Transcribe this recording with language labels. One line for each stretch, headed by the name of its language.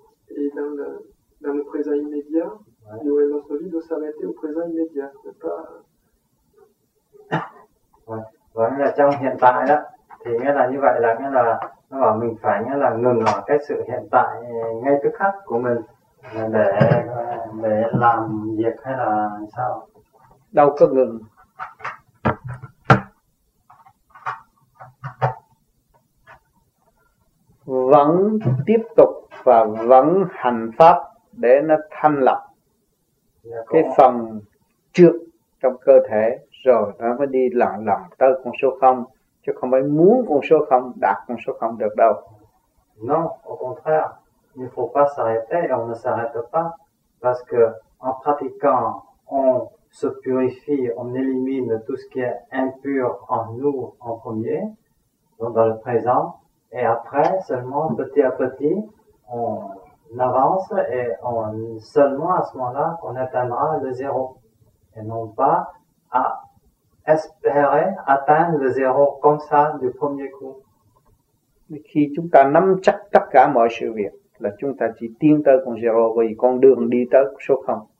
French: Et dans le présent immédiat, ouais. Nous et notre vie doit s'arrêter au présent immédiat, ne pas.
Vietnamese: Ouais, là trong hiện tại là, thì nghĩa là như vậy là nghĩa là nó bảo mình phải nghĩa là ngừng ở cái sự hiện tại ngay tức khắc của mình. Để làm việc hay là sao? Đâu có ngừng. Vẫn tiếp tục và vẫn hành pháp để nó thanh lọc cái phần trược trong cơ thể rồi nó mới đi lặng lặng tới con số 0. Chứ không phải muốn con số 0, đạt con số 0 được đâu.
French: Non, au contraire. Il ne faut pas s'arrêter et on ne s'arrête pas parce que en pratiquant, on se purifie, on élimine tout ce qui est impur en nous en premier, donc dans le présent, et après seulement petit à petit, on avance et on seulement à ce moment-là qu'on atteindra le zéro et non pas à espérer atteindre le zéro comme ça du premier coup. Mais
Vietnamese: khi chúng ta nắm chắc tất cả mọi sự việc. Là chúng ta chỉ tiến tới con zero vì con đường đi tới số 0.